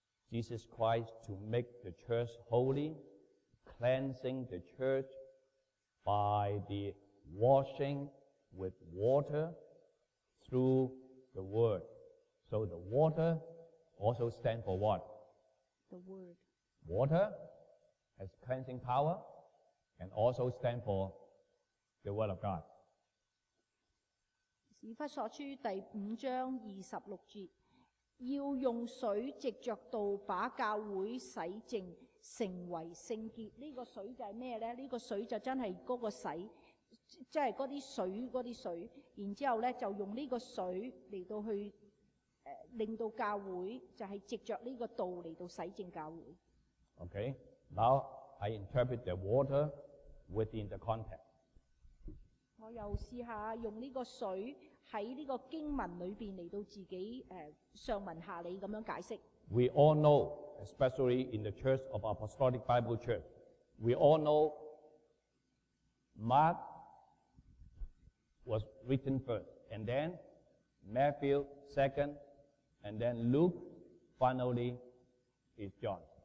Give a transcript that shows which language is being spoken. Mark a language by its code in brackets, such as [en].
[en] Jesus Christ to make the church holy, cleansing the church by the washing with water. Through the word. So the water also stands for what? The word. Water has cleansing power and also stands for the word of God. [zh] 以弗所书第五章二十六节，要用水藉着道把教会洗净，成为圣洁。这个水就是什么呢？这个水就真是那个洗。即是那些水，那些水，然后呢就用这个水来到去令到教会，就是藉着这个道来到洗净教会。 [en] Okay, now I interpret the water within the context. [zh] 我又试下用这个水在这个经文里面来到自己上文下理这样解释。 [en] We all know, especially in the Church of Apostolic Bible Church, we all know Markwas written first, and then Matthew second, and then Luke finally is John.